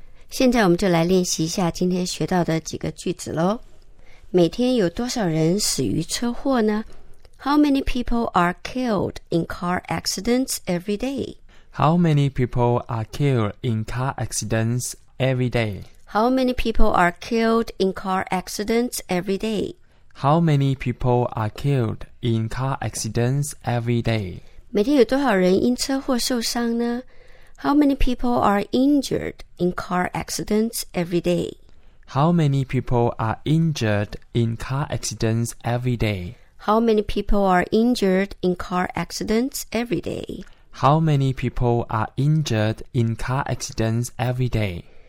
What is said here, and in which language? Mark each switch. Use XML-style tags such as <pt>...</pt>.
<zh>现在我们就来练习一下今天学到的几个句子咯。每天有多少人死于车祸呢？</zh> <en>How many people are killed in car accidents every day? How many people are killed in car accidents every day? How many people are killed in car accidents every day? How many people are killed in car accidents every day?</en> <zh>每天有多少人因车祸受伤呢?</zh> <en>How many people are injured in car accidents every day? How many people are injured in car accidents every day? How many people are injured in car accidents every day? How many people are injured in car accidents every day?</en>